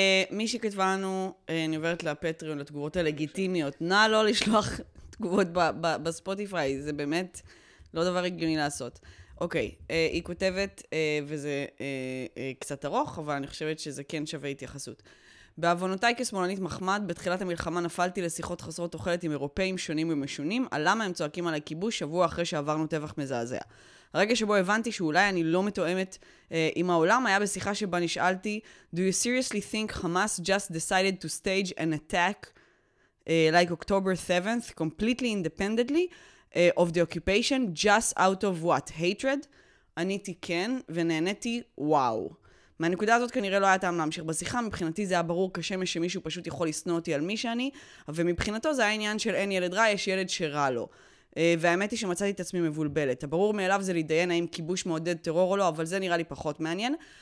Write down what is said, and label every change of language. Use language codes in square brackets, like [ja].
[he] מי שכתבה לנו, אני עוברת לפטריון, לתגובות הלגיטימיות, נא לא לשלוח תגובות בספוטיפיי, זה באמת לא דבר הגיוני לעשות. אוקיי, היא כותבת, וזה קצת ארוך, אבל אני חושבת שזה כן שווה התייחסות. בעוונותיי כשמאלנית מחמד, בתחילת המלחמה נפלתי לשיחות חסרות אוכלת עם אירופאים שונים ומשונים, על למה הם צועקים על הכיבוש שבוע אחרי שעברנו טבח מזעזע. הרגע שבו הבנתי שאולי אני לא מתואמת עם העולם, היה בשיחה שבה נשאלתי, [en] Do you seriously think Hamas just decided to stage an attack like October 7th, completely independently of the occupation, just out of what? Hatred? [he] עניתי כן, ונהניתי, וואו. מהנקודה הזאת כנראה לא היה טעם להמשיך בשיחה, מבחינתי זה היה ברור כשמש שמישהו פשוט יכול לסנוע אותי על מי שאני, ומבחינתו זה היה עניין של אין ילד רע, יש ילד שרע לו. והאמת היא שמצאתי את עצמי מבולבלת. הברור מאליו זה להידיין האם כיבוש מעודד טרור או לא, אבל זה נראה לי פחות מעניין.